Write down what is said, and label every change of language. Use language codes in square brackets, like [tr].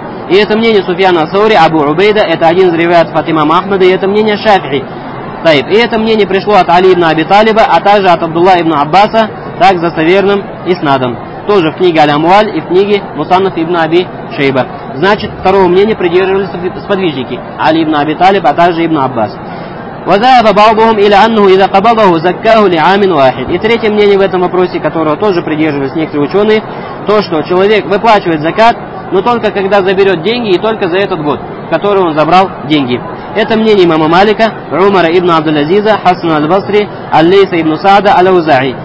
[ru] И это мнение Суфьяна Саури, Абу Убейда, это один из ревиатов от имама Ахмада, и это мнение Шафии. Тайб. И это мнение пришло от Али ибн Аби Талиба, а также от Абдулла ибн Аббаса, так за достоверным иснадом. Тоже в книге Аль-Амуаль и в книге Мусаннаф ибн Аби Шейба. Значит, второго мнения придерживались сподвижники Али ибн Аби Талиб, а также ибн Аббас. [ar] وذهب بعضهم الى انه اذا قبضه زكاه لعام واحد. [ru] И третье мнение в этом вопросе, которого тоже придерживались некоторые ученые, то, что человек выплачивает закат, но только когда заберет деньги и только за этот год, в который он забрал деньги. Это мнение имама Малика, Умара ибн Абдул-Азиза, Хасан аль-Басри, Аль-Лейса ибн Саада, Аль-Узаи.